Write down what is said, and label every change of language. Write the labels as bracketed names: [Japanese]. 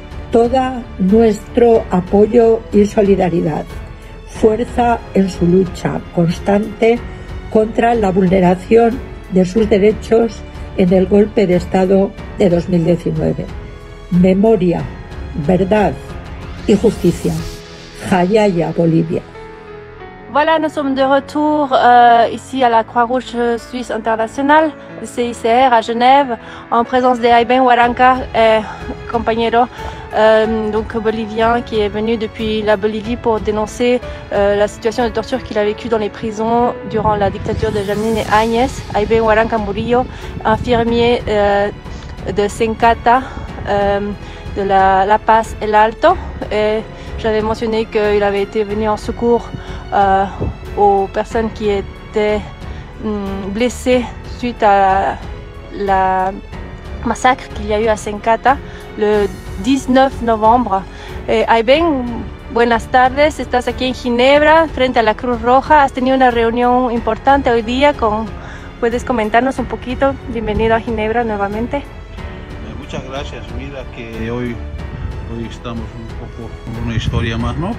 [Spanish] Todo nuestro apoyo y solidaridad, fuerza en su lucha constante contra la vulneración de sus derechos en el golpe de Estado de 2019. Memoria, verdad y justicia. Jayaya, Bolivia. [French] Voilà, nous sommes de retour ici à la Croix-Rouge Suisse Internationale, le CICR, à Genève, en présence de Aym Huaranca, compañero donc bolivien, qui est venu depuis la Bolivie pour dénoncer la situation de torture qu'il a vécue dans les prisons durant la dictature de Jeanine Áñez. Aym Huaranca Murillo, infirmier de Sencata, de La Paz, El Alto. Et j'avais mentionné qu'il avait été venu en secours aux personnes qui étaient blessé suite à la massacre qu'il y a eu à Senkata le 19 novembre. [Spanish] Aiben, buenas tardes, estás aquí en Ginebra frente a la Cruz Roja. Has tenido una reunión importante hoy día con... ¿Puedes comentarnos un poquito? Bienvenido a Ginebra nuevamente. Muchas gracias. Mira que hoy estamos un poco con una historia más, ¿no?